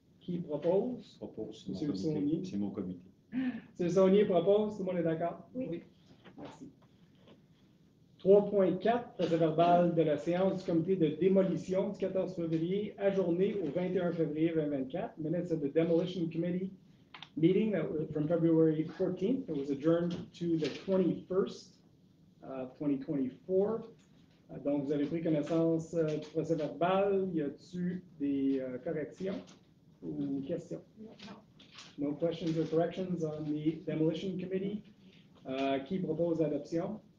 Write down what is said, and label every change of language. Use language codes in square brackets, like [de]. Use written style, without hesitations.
[fr] Qui propose? Propose. Monsieur Saunier. C'est mon comité. Monsieur Saunier propose, tout le monde est d'accord? Oui. Merci. 3.4, procès verbal de la séance du comité de démolition du 14 février, ajourné au 21 février 2024. [en] Minutes of the Demolition Committee meeting that was from February 14th. It was adjourned to the 21st, 2024. [fr] Donc, vous avez pris connaissance du procès verbal. Y a-t-il des corrections ou questions? Non. [en] No questions or corrections on the Demolition Committee. [fr] Qui propose l'adoption?